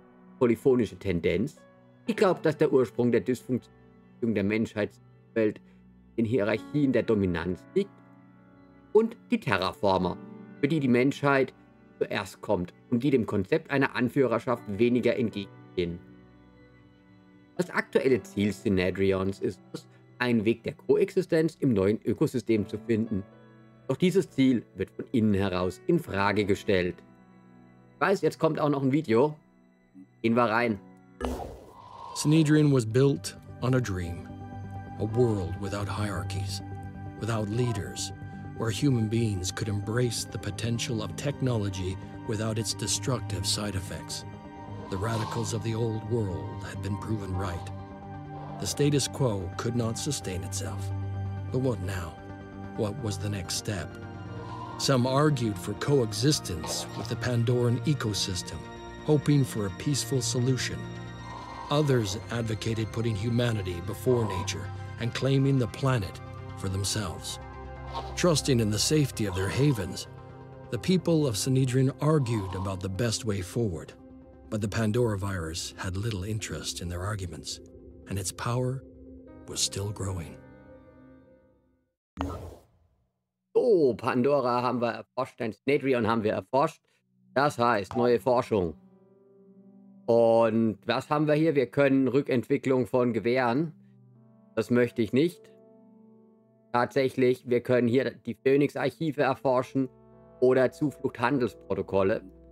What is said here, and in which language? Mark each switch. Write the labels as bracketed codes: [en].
[de] Die polyphonische Tendenz, die glaubt, dass der Ursprung der Dysfunktion der Menschheitswelt in Hierarchien der Dominanz liegt, und die Terraformer, für die die Menschheit zuerst kommt und die dem Konzept einer Anführerschaft weniger entgegenstehen. Das aktuelle Ziel Synadrions ist es, einen Weg der Koexistenz im neuen Ökosystem zu finden. Doch dieses Ziel wird von innen heraus in Frage gestellt. Ich weiß, jetzt kommt auch noch ein Video. Gehen wir rein. [en] Synadrion was built on a dream. A world without hierarchies, without leaders, where human beings could embrace the potential of technology without its destructive side effects. The radicals of the old world had been proven right. The status quo could not sustain itself. But what now? What was the next step? Some argued for coexistence with the Pandoran ecosystem, hoping for a peaceful solution. Others advocated putting humanity before nature, and claiming the planet for themselves. Trusting in the safety of their havens, the people of Synadrion argued about the best way forward, but the Pandora virus had little interest in their arguments, and its power was still growing. [de] Oh, Pandora haben wir erforscht, ein Synadrion haben wir erforscht. Das heißt, neue Forschung. Und was haben wir hier? Wir können Rückentwicklung von Gewehren. Das möchte ich nicht. Tatsächlich, wir können hier die Phoenix-Archive erforschen oder Zuflucht-Handelsprotokolle.